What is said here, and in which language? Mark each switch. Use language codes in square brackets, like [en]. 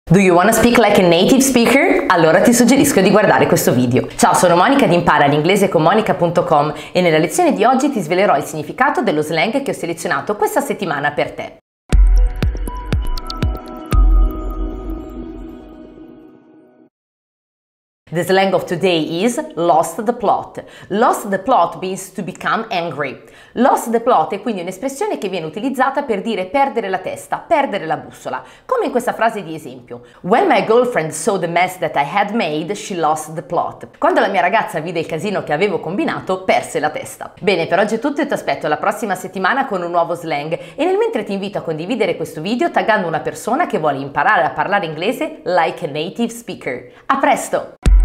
[en] Do you want to speak like a native speaker? [it] Allora ti suggerisco di guardare questo video. Ciao, sono Monica di Impara l'inglese con monica.com e nella lezione di oggi ti svelerò il significato dello slang che ho selezionato questa settimana per te. [en] The slang of today is lost the plot. Lost the plot means to become angry. [it] Lost the plot è quindi un'espressione che viene utilizzata per dire perdere la testa, perdere la bussola, come in questa frase di esempio. [en] When my girlfriend saw the mess that I had made, she lost the plot. [it] Quando la mia ragazza vide il casino che avevo combinato, perse la testa. Bene, per oggi è tutto e ti aspetto la prossima settimana con un nuovo slang e nel mentre ti invito a condividere questo video taggando una persona che vuole imparare a parlare inglese [en] like a native speaker. [it] A presto!